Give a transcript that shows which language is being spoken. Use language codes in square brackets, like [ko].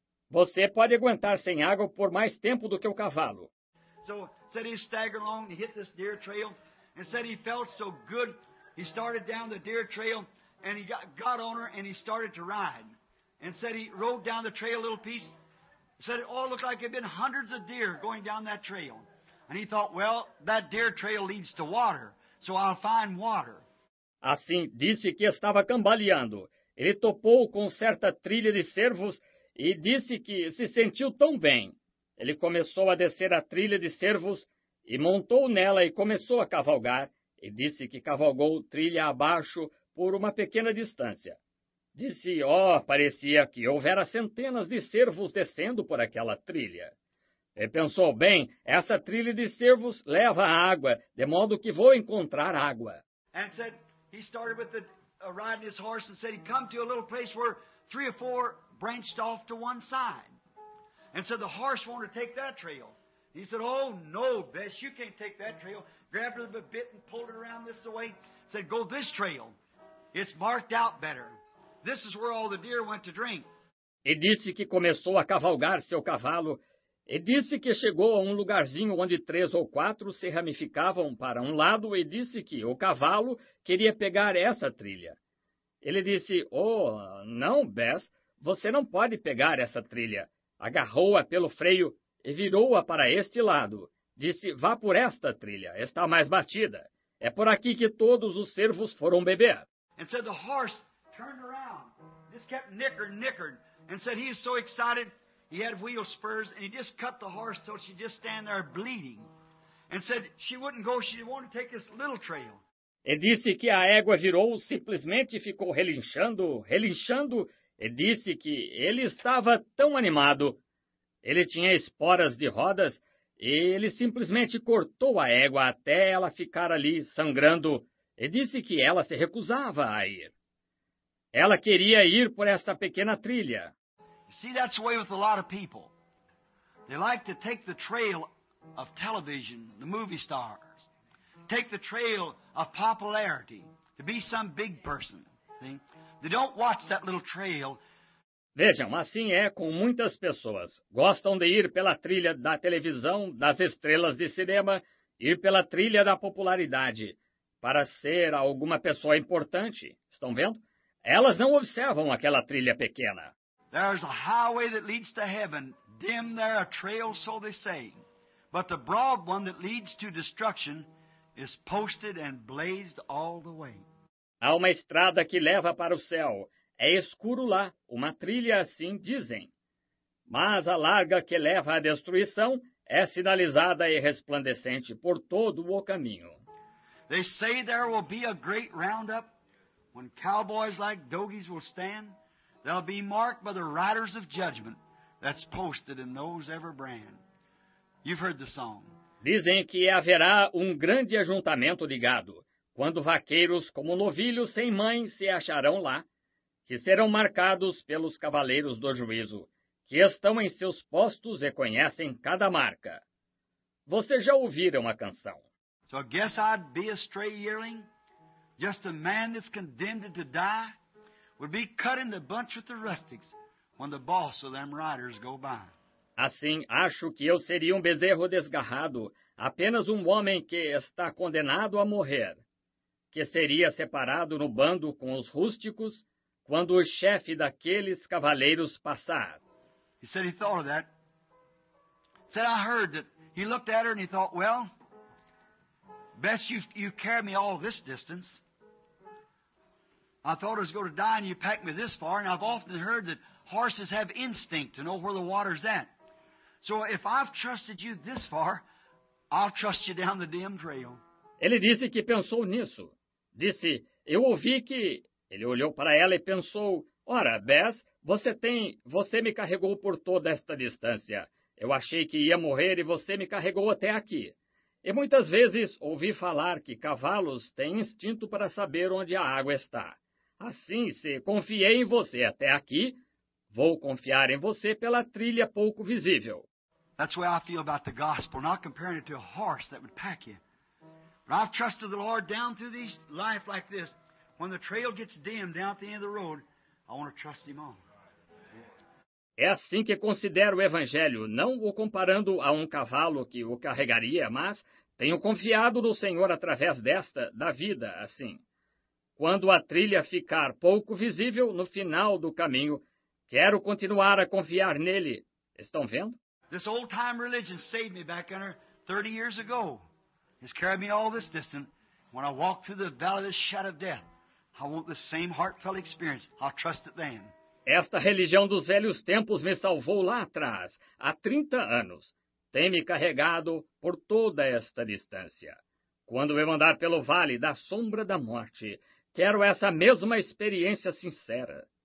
[pt] Você pode aguentar sem água por mais tempo do que o cavalo. [en] So, said he staggered along and hit this deer trail. And said he felt so good, he started down the deer trail. And he got on her and he started to ride. And said he rode down the trail a little piece. Said it all looked like it had been hundreds of deer going down that trail. And he thought, well, that deer trail leads to water, so I'll find water. [pt] Assim, disse que estava cambaleando. Ele topou com certa trilha de cervos e disse que se sentiu tão bem. Ele começou a descer a trilha de cervos e montou nela e começou a cavalgar. E disse que cavalgou trilha abaixo por uma pequena distância. Disse, parecia que houvera centenas de cervos descendo por aquela trilha. E pensou, bem, essa trilha de cervos leva a água, de modo que vou encontrar água. [en] And said he started with riding his horse and said he come to a little place where three or four branched off to one side. And said the horse wanted to take that trail. He said, oh no, Bess, you can't take that trail. Grabbed her a bit and pulled her around this way. Said, go this trail. It's marked out better. This is where all the deer went to drink. [pt] E disse que começou a cavalgar seu cavalo. E disse que chegou a um lugarzinho onde três ou quatro se ramificavam para um lado e disse que o cavalo queria pegar essa trilha. Ele disse, oh, não, Bess, você não pode pegar essa trilha. Agarrou-a pelo freio e virou-a para este lado. Disse, vá por esta trilha, está mais batida. É por aqui que todos os cervos foram beber. [en] And said the horse turned around, just kept nickering, and said he was so excited. He had wheel spurs, and he just cut the horse till she just stand there bleeding. And said she wouldn't go, she didn't want to take this little trail. [pt] E disse que a égua virou, simplesmente ficou relinchando, e disse que ele estava tão animado. Ele tinha esporas de rodas, e ele simplesmente cortou a égua até ela ficar ali sangrando, e disse que ela se recusava a ir. Ela queria ir por esta pequena trilha. [en] See, that's the way with a lot of people. They like to take the trail of television, the movie stars. Take the trail of popularity, to be some big person. See? They don't watch that little trail. [pt] Vejam, assim é com muitas pessoas. Gostam de ir pela trilha da televisão, das estrelas de cinema, ir pela trilha da popularidade, para ser alguma pessoa importante. Estão vendo? Elas não observam aquela trilha pequena. [en] There's a highway that leads to heaven, dim there a trail, so they say. But the broad one that leads to destruction is posted and blazed all the way. [pt] Há uma estrada que leva para o céu. É escuro lá, uma trilha assim dizem. Mas a larga que leva à destruição é sinalizada e resplandecente por todo o caminho. [en] They say there will be a great roundup when cowboys like dogies will stand. They'll be marked by the riders of judgment that's posted in those every brand. You've heard the song. [pt] Dizem que haverá grande ajuntamento de gado, quando vaqueiros como novilhos sem mãe se acharão lá, que serão marcados pelos cavaleiros do juízo, que estão em seus postos e conhecem cada marca. Vocês já ouviram a canção? [en] So I guess I'd be a stray yearling, just a man that's condemned to die. Would be cut in the bunch with the rustics when the boss of them riders go by. [pt] Assim, acho que eu seria bezerro desgarrado, apenas homem que está condenado a morrer, que seria separado no bando com os rústicos quando o chefe daqueles cavaleiros passar. [en] He said he thought of that. He said I heard that he looked at her and he thought, well, best you carry me all this distance. I thought I was going to die and you packed me this far, and I've often heard that horses have instinct to know where the water's at. So if I've trusted you this far, I'll trust you down the dim trail. [pt] Ele disse que pensou nisso. Disse, eu ouvi que... Ele olhou para ela e pensou, ora, Bess, você me carregou por toda esta distância. Eu achei que ia morrer e você me carregou até aqui. E muitas vezes ouvi falar que cavalos têm instinto para saber onde a água está. Assim, se confiei em você até aqui, vou confiar em você pela trilha pouco visível. [en] That's the way I feel about the gospel, not comparing it to a horse that would pack you. But I've trusted the Lord down through this life like this. When the trail gets dim down at the end of the road, I want to trust him on. [pt] É assim que considero o Evangelho, não o comparando a cavalo que o carregaria, mas tenho confiado no Senhor através desta, da vida, assim. Quando a trilha ficar pouco visível no final do caminho, quero continuar a confiar nele. Estão vendo? [en] This old-time religion saved me back under 30 years ago. It's carried me all this distance. When I walk through the valley of the shadow of death, I want the same heartfelt experience. I'll trust it then. [pt] Esta religião dos velhos tempos me salvou lá atrás, há 30 anos. Tem me carregado por toda esta distância. Quando eu andar pelo vale da sombra da morte, quero essa mesma experiência sincera.